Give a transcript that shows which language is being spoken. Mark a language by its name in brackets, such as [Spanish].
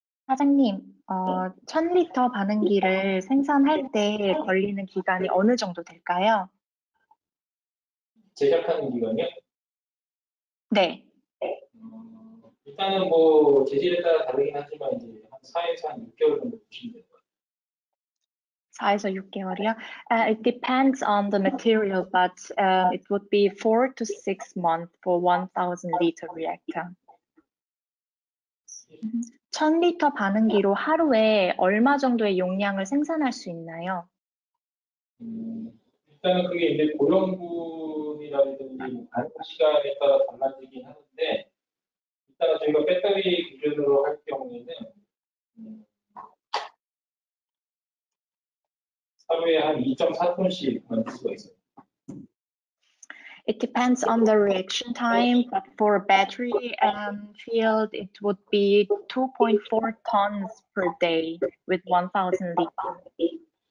[Korean] 사장님, 1000리터 반응기를 생산할 때 걸리는 기간이 어느 정도 될까요? 제작하는 네. 일단은 뭐 재질에 따라 다르긴 하지만 이제 한 4에서 한 6개월 정도 보시면 됩니다. 4에서 6개월이요? [English] It depends on the material, but it would be 4 to 6 months for 1,000 liter reactor. [Korean] 1000리터 반응기로 하루에 얼마 정도의 용량을 생산할 수 있나요? 일단은 그게 이제 고정분이라든지 반응 시간에 따라 달라지긴 하는데, 일단은 저희가 배터리 기준으로 할 경우에는 하루에 한 2.4톤씩 만들 수가 있어요. [English] It depends on the reaction time, but for a battery field, it would be 2.4 tons per day with 1,000 liters.